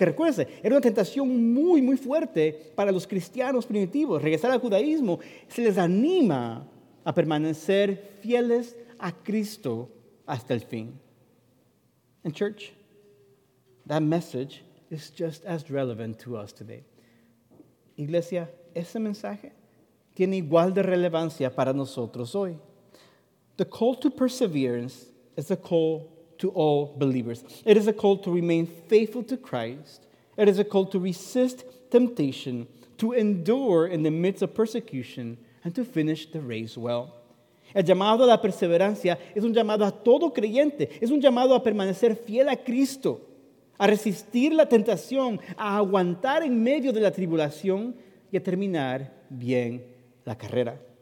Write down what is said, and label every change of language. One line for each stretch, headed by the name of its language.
Spanish: Que recuérdense, era una tentación muy, muy fuerte para los cristianos primitivos. Regresar al judaísmo, se les anima a permanecer fieles a Cristo hasta el fin.
English: And church, that message is just as relevant to us today.
Spanish: Iglesia, ese mensaje tiene igual de relevancia para nosotros hoy.
English: The call to perseverance is a call to all believers. It is a call to remain faithful to Christ. It is a call to resist temptation, to endure in the midst of persecution, and to finish the race well.
Spanish: El llamado a la perseverancia es un llamado a todo creyente. Es un llamado a permanecer fiel a Cristo, a resistir la tentación, a aguantar en medio de la tribulación y a terminar bien la carrera.